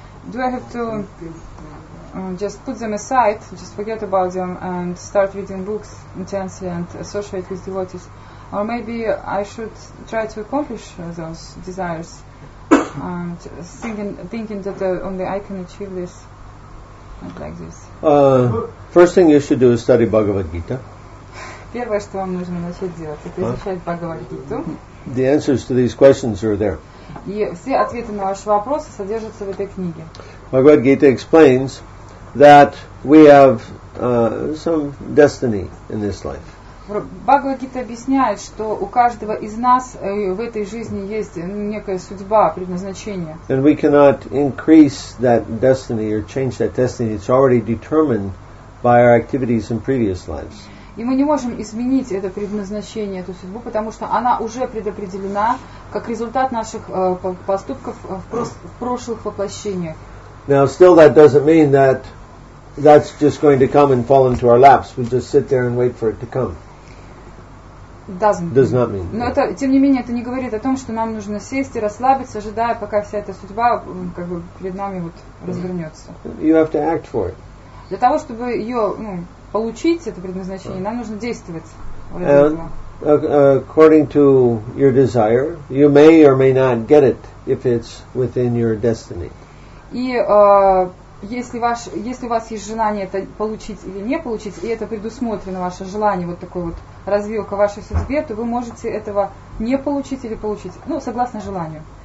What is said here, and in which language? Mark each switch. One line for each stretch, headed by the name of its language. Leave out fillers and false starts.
English: Do I have to just put them aside, just forget about them and start reading books intensely and associate with devotees? Or maybe I should try to accomplish those desires? And thinking that only I can achieve this, like this. First thing you should do is study Bhagavad Gita.
Russian: Первое, что вам нужно начать делать, это изучать Бхагавад Гиту.
English: The answers to these questions are there.
Russian: И все ответы на ваши вопросы содержатся в этой книге.
English: Bhagavad Gita explains that we have some destiny in this life.
Russian: Бхагавад-гита объясняет, что у каждого из нас в этой жизни есть некая судьба, предназначение.
English: And we cannot increase that destiny or change that destiny. It's already determined by our activities in previous lives.
Russian: И мы не можем изменить это предназначение, эту судьбу, потому что она уже предопределена как результат наших поступков в прошлых воплощениях.
English: Now, still that doesn't mean that that's just going to come and fall into our laps. We just sit there and wait for it to come. Does not mean.
Russian: Но это, тем не менее, это не говорит о том, что нам нужно сесть и расслабиться, ожидая, пока вся эта судьба как бы перед нами вот развернется.
English: You have to act for it.
Russian: Для того, чтобы ее, ну, получить, это предназначение, нам нужно действовать.
English: And according to your desire, you may or may not get it if it's within your destiny.
Russian: И если у вас есть желание это получить или не получить, и это предусмотрено ваше желание, вот такой вот развилка в вашей судьбе, то вы можете этого не получить или получить, ну, согласно желанию.